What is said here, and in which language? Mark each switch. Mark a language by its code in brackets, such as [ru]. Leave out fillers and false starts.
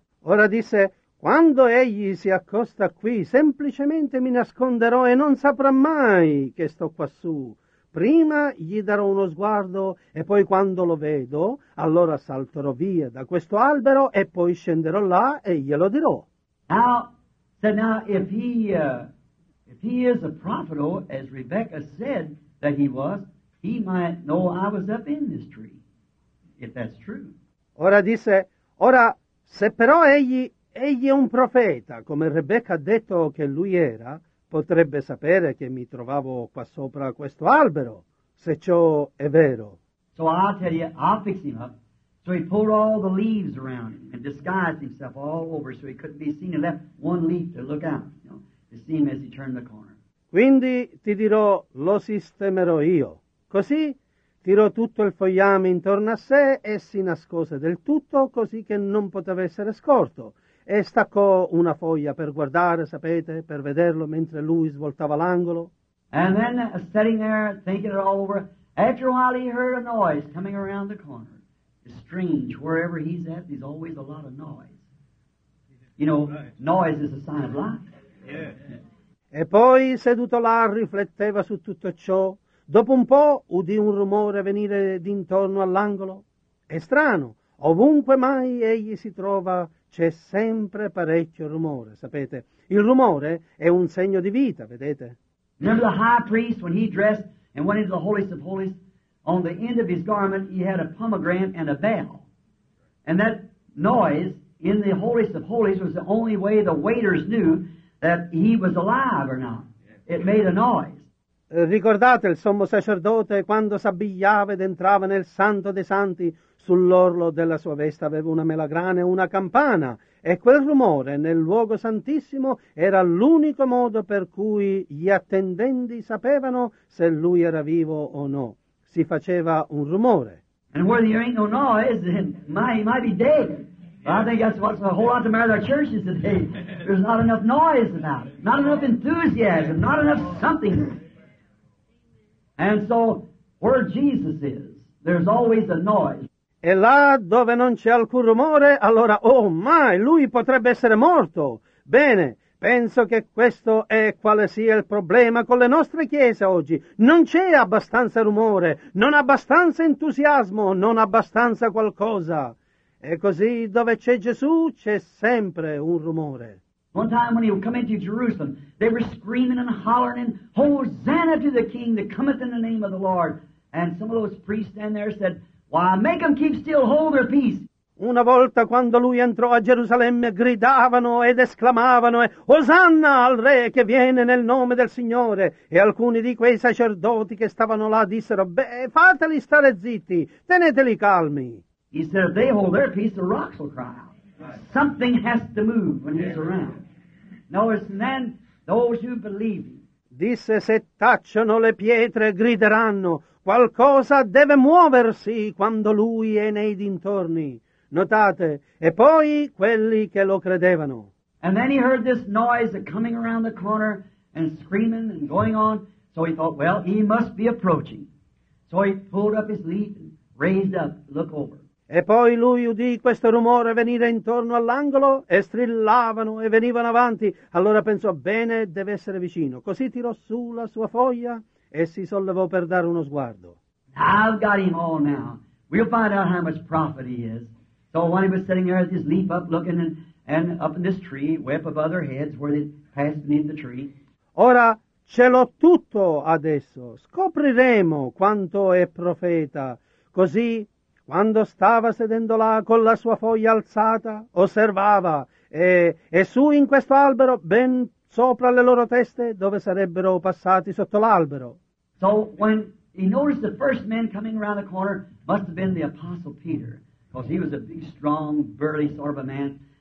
[it] Ora disse, quando egli si accosta qui, semplicemente mi nasconderò e non saprà mai che sto quassù. Prima gli darò uno sguardo e poi quando lo vedo, allora salterò via da questo albero e poi scenderò là e glielo dirò. [en] Now, if he is a prophet, as Rebecca said that he was, he might know I was up in this tree, if that's true. [it] Ora disse, ora, se però egli è un profeta, come Rebecca ha detto che lui era, potrebbe sapere che mi trovavo qua sopra questo albero, se ciò è vero. [en] So I'll tell you, I'll fix him up. So he pulled all the leaves around him and disguised himself all over so he couldn't be seen and left one leaf to look out, you know, to see him as he turned the corner. [it] Quindi ti dirò, lo sistemerò io. Così tirò tutto il fogliame intorno a sé e si nascose del tutto così che non poteva essere scorto. E staccò una foglia per guardare, sapete, per vederlo mentre lui svoltava l'angolo. [en] And then, sitting there, thinking it all over, after a while he heard a noise coming around the corner. It's strange, wherever he's at, there's always a lot of noise. You know, noise is a sign of life. Yeah. [it] E poi, seduto là, rifletteva su tutto ciò. Dopo un po' udì un rumore venire d'intorno all'angolo. È strano, ovunque mai egli si trova, c'è sempre parecchio rumore, sapete? Il rumore è un segno di vita, vedete? [en] Remember the high priest when he dressed and went into the holiest of holies? On the end of his garment he had a pomegranate and a bell. And that noise in the holiest of holies was the only way the waiters knew that he was alive or not. It made a noise. [it] Ricordate il sommo sacerdote quando s'abbigliava ed entrava nel santo dei santi? Sull'orlo della sua veste aveva una melagrana e una campana, e quel rumore nel luogo santissimo era l'unico modo per cui gli attendenti sapevano se lui era vivo o no. Si faceva un rumore. [en] And where there ain't no noise, then he might be dead. But I think that's what's a whole lot the matter of our churches today. There's not enough noise about it, not enough enthusiasm, not enough something. And so, where Jesus is, there's always a noise. [it] E là dove non c'è alcun rumore, allora, oh mai, lui potrebbe essere morto. Bene, penso che questo è quale sia il problema con le nostre chiese oggi. Non c'è abbastanza rumore, non abbastanza entusiasmo, non abbastanza qualcosa. E così dove c'è Gesù c'è sempre un rumore. [en] One time when he would come into Jerusalem, they were screaming and hollering, and Hosanna to the King that cometh in the name of the Lord. And some of those priests stand there said, why, make them keep still, hold their peace. [it] Una volta quando lui entrò a Gerusalemme, gridavano ed esclamavano, Osanna al re che viene nel nome del Signore. E alcuni di quei sacerdoti che stavano là dissero, beh, fateli stare zitti, teneteli calmi. [en] He said, if they hold their peace, the rocks will cry out. Something has to move when he's around. Notice, and then those who believe him. [it] Disse, se tacciono le pietre, grideranno. Qualcosa deve muoversi quando lui è nei dintorni. Notate, e poi quelli che lo credevano. [en] And then he heard this noise coming around the corner and screaming and going on. So he thought, well, he must be approaching. So he pulled up his leaf and raised up, look over. [it] E poi lui udì questo rumore venire intorno all'angolo e strillavano e venivano avanti. Allora pensò, bene, deve essere vicino. Così tirò su la sua foglia e si sollevò per dare uno sguardo. [en] I've got him all now. We'll find out how much profit he is. So when he was sitting there with his leaf up looking and up in this tree, way up above their heads where they passed beneath the tree. [it] Ora ce l'ho tutto adesso. Scopriremo quanto è profeta. Così, quando stava sedendo là con la sua foglia alzata, osservava, e su in questo albero, ben sopra le loro teste, dove sarebbero passati sotto l'albero. [en] So, when he noticed the first man coming around the corner, must have been the Apostle Peter, because he was a big, strong, burly sort of a man.